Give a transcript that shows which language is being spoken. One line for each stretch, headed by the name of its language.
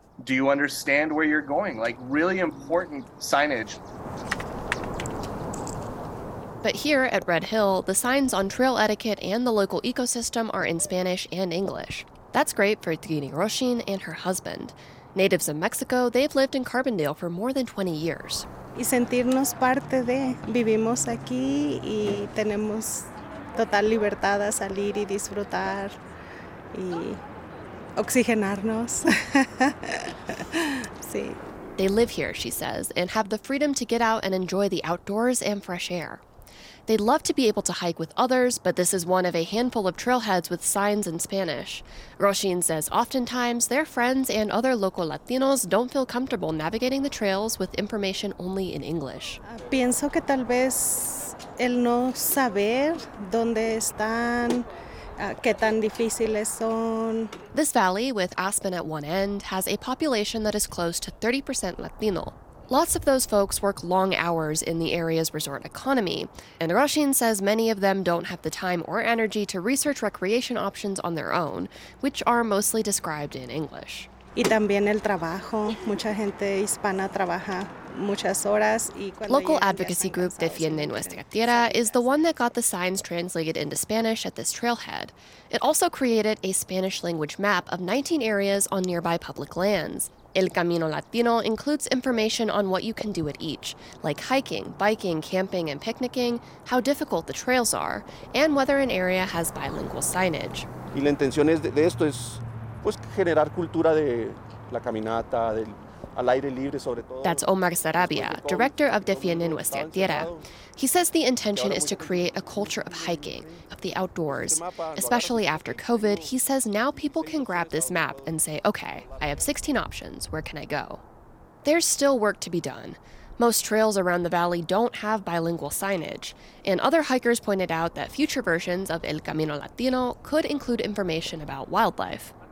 English: Do you understand where you're going? Like, really important signage. But here at Red Hill, the signs on trail etiquette and the local ecosystem are in Spanish and English. That's great for Dini Roshin and her husband. Natives of Mexico, they've lived in Carbondale for more than 20 years.
Spanish: Y sentirnos parte de, vivimos aquí y tenemos total libertad a salir y disfrutar y oxigenarnos. Sí.
English: They live here, she says, and have the freedom to get out and enjoy the outdoors and fresh air. They'd love to be able to hike with others, but this is one of a handful of trailheads with signs in Spanish. Roshin says oftentimes their friends and other local Latinos don't feel comfortable navigating the trails with information only in English.
Spanish: Pienso que tal vez el no saber dónde están, qué tan difíciles son.
English: This valley, with Aspen at one end, has a population that is close to 30% Latino. Lots of those folks work long hours in the area's resort economy, and Roshin says many of them don't have the time or energy to research recreation options on their own, which are mostly described in English.
Spanish: Y también el trabajo. Mucha gente hispana trabaja muchas horas.
English: Local advocacy group Defiende Nuestra Tierra is the one that got the signs translated into Spanish at this trailhead. It also created a Spanish-language map of 19 areas on nearby public lands. El Camino Latino includes information on what you can do at each, like hiking, biking, camping, and picnicking, how difficult the trails are, and whether an area has bilingual signage.
Spanish: Y la intención es de esto es pues generar cultura de la caminata, del al aire libre sobre todo.
English: That's Omar Sarabia, director of Defiende Nuestra Tierra. He says the intention is to create a culture of hiking, of the outdoors. Especially after COVID, he says now people can grab this map and say, okay, I have 16 options, where can I go? There's still work to be done. Most trails around the valley don't have bilingual signage, and other hikers pointed out that future versions of El Camino Latino could include information about wildlife.